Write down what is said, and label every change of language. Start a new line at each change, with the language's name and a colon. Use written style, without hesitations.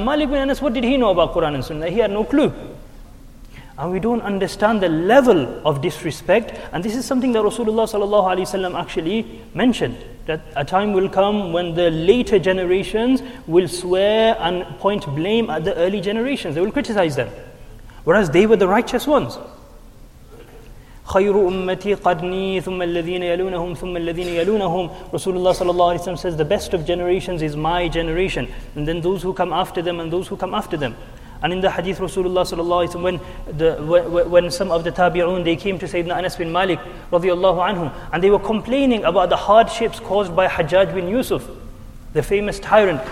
English: Malik bin Anas, what did he know about Quran and Sunnah? He had no clue. And we don't understand the level of disrespect. And this is something that Rasulullah sallallahu alaihi wasallam actually mentioned, that a time will come when the later generations will swear and point blame at the early generations. They will criticize them, whereas they were the righteous ones.
Arabic: خير أمتي قرني ثم الذين يلونهم ثم الذين يلونهم.
English: Rasulullah sallallahu alaihi wasallam says the best of generations is my generation, and then those who come after them, and those who come after them. And in the hadith, Rasulullah sallallahu alaihi wasallam, when some of the tabi'un, they came to Sayyidina Anas bin Malik radiallahu anhu, and they were complaining about the hardships caused by Hajjaj bin Yusuf, the famous tyrant.